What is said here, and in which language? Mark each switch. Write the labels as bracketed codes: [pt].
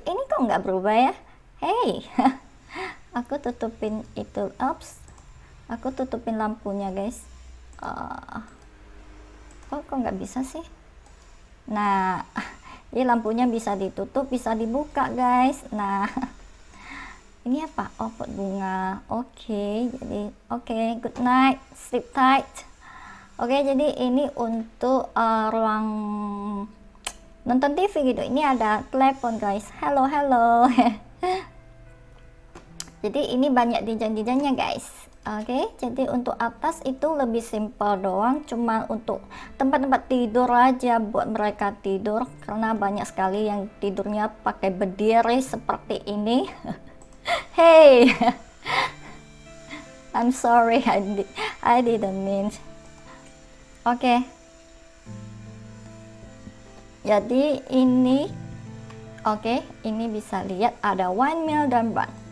[id] Ini kok nggak berubah ya? Hey. Aku tutupin itu. Ups, aku tutupin lampunya guys. Kok nggak bisa sih? Nah, ini lampunya bisa ditutup, bisa dibuka, guys. Nah, ini apa? Oh, pot bunga. Jadi [en] good night, sleep tight. [id] Jadi ini untuk ruang nonton TV gitu. Ini ada telepon, guys. [en] Hello, hello. [id] Jadi ini banyak desain-desainnya, guys. Jadi untuk atas itu lebih simpel doang, cuma untuk tempat-tempat tidur aja buat mereka tidur, karena banyak sekali yang tidurnya pakai berdiri seperti ini. [en] Hey, I'm sorry, I didn't mean. [id] Jadi ini, ini bisa lihat ada one meal dan bun.